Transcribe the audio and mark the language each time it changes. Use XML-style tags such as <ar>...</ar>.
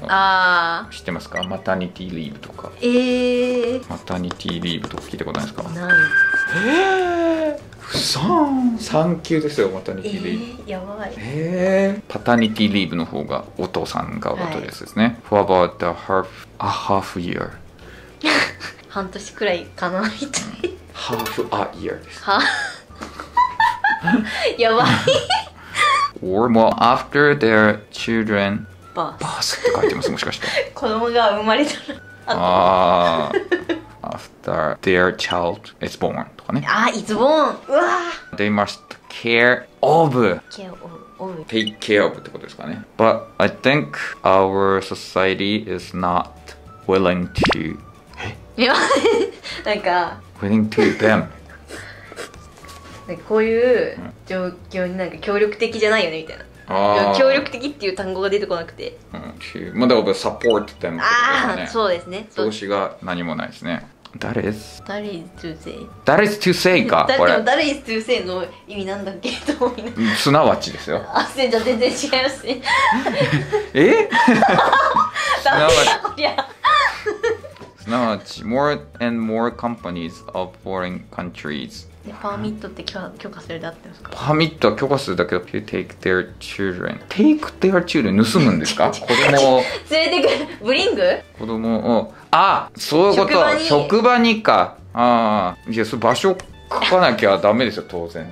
<ja>あ、知ってますか。マタニティーリーブとか。マタニティーリーブとか聞いたことないですか。ない。不産。産休ですよ、マタニティーリーブ。やばい。パタニティーリーブの方がお父さん側とですね。</ja> <en>はい、For about the half, a half year.</en> <ja>半年くらいかな、みたい。</ja> <en>Half a year です。</en> <ja>やばい。</ja> <en>or well after their children birth</en> <ja>って書いてます、もしかして子供が生まれた</ja> <en>らあafter their child is born</en> <ja>とかね。</ja> <en>あ、it's born。うわ。 They must care of take care of</en> <ja>ってことですかね。</ja> <en>But I think our society is not willing to</en> <ja>え？いや、なんか</ja> <en>willing to them</en> <ja>なんかこういう状況になんか協力的じゃないよねみたいな。あ、協力的っていう単語が出てこなくて、うん、まだ</ja> <en>support them</en> <ja>ってことですね。あ、そうですね。動詞が何もないですね。</ja> <en>That is That is to say</en> <ja>か、これ</ja> <en>That is to say</en> <ja>の意味なんだっけと思いながら、すなわちですよ。あ、じゃあ全然違いますね。え？すなわち、こりゃすなわち、</ja> <en>more and more companies of foreign countries</en> <ja>パーミットって許可するだってますか。パーミットは許可するだけど、</ja> <en>you take their children take their children</en> <ja>盗むんですか子供を連れてくブリング子供を、あ、そういうこと、職場にか、あ、いや、それ場所書かなきゃダメですよ、当然。</ja>